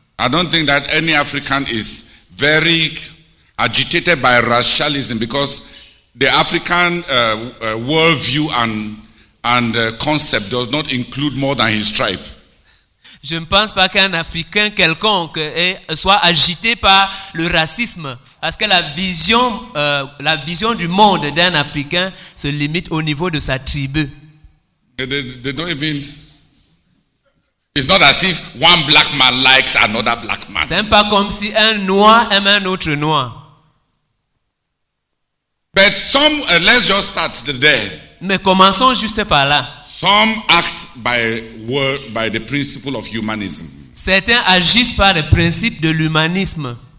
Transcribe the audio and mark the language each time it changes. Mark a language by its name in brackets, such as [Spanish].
[English] I don't think that any African is very agitated by racialism because the African worldview and concept does not include more than his tribe. [French] Je ne pense pas qu'un Africain quelconque soit agité par le racisme, parce que la vision du monde d'un Africain se limite au niveau de sa tribu. [English] They don't even. It's not as if one black man likes another black man. [French] C'est pas comme si un noir aime un autre noir. [English] But some, let's just start there. [French] Mais commençons juste par là. [English] Some act by the principle of humanism. [French] Certains agissent par le principe de l'humanisme.